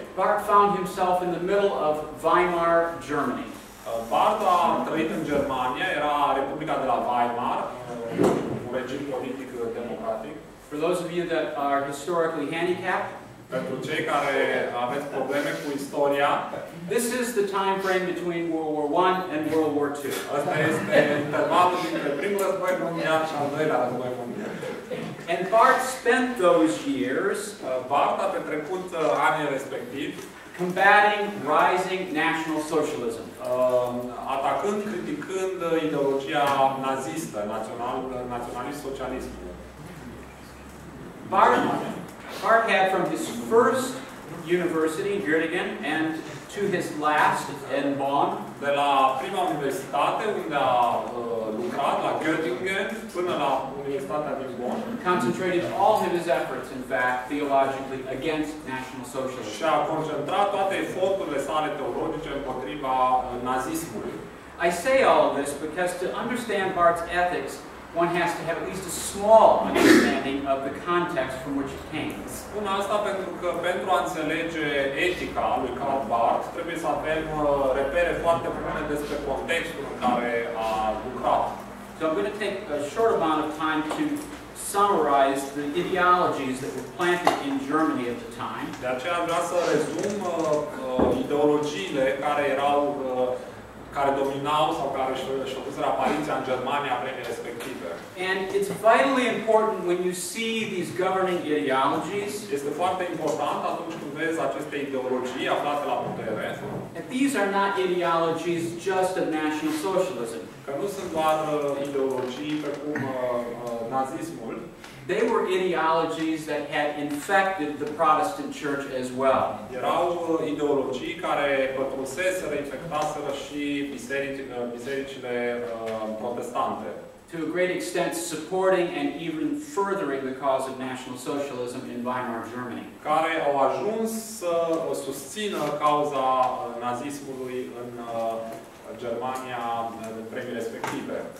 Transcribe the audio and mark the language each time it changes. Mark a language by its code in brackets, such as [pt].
[en] Barth found himself in the middle of Weimar, Germany. [ro] Barth a trăit în Germania, era Republica de la Weimar, un regim politic democratic. [en] For those of you that are historically handicapped, [ro] pentru cei care aveți probleme cu istoria, [en] this is the time frame between World War I and World War II. [ro] Asta este intervalul dintre primul război mondial și al doilea război mondial. [en] And Barth spent those years, [ro] Barth a petrecut anii respectivi, [en] combating rising national socialism. [ro] Atacând, criticând ideologia nazistă, naționalist socialist. [en] Barth had from his first University in Göttingen and to his last in Bonn. [ro] De la prima universitate unde a lucrat la Göttingen până la universitatea din Bonn. [en] Concentrated all of his efforts, in fact, theologically against National Socialism. [ro] Și a concentrat toate eforturile sale teologice împotriva nazismului. [en] I say all of this because to understand Barth's ethics, one has to have at least a small understanding of the context from which it came. [ro] Spun asta pentru că pentru a înțelege etica lui Karl Barth, trebuie să avem repere foarte bune despre contextul în care a lucrat. [en] So I'm going to take a short amount of time to summarize the ideologies that were planted in Germany at the time. [ro] De aceea vreau să rezum ideologiile care erau care dominau sau care și-au pus apariția în Germania vremii respective. [en] And it's vitally important when you see these governing ideologies. [ro] Este foarte important atunci când vezi aceste ideologii aflate la putere. [en] And these are not ideologies just of National Socialism. [ro] Că nu sunt doar ideologii precum nazismul. [en] They were ideologies that had infected the Protestant church as well. [ro] Erau ideologii care pătruseseră, infectaseră și bisericile protestante. [en] To a great extent supporting and even furthering the cause of National Socialism in Weimar Germany. [ro] Care au ajuns să susțină cauza nazismului în Germania vremii respective.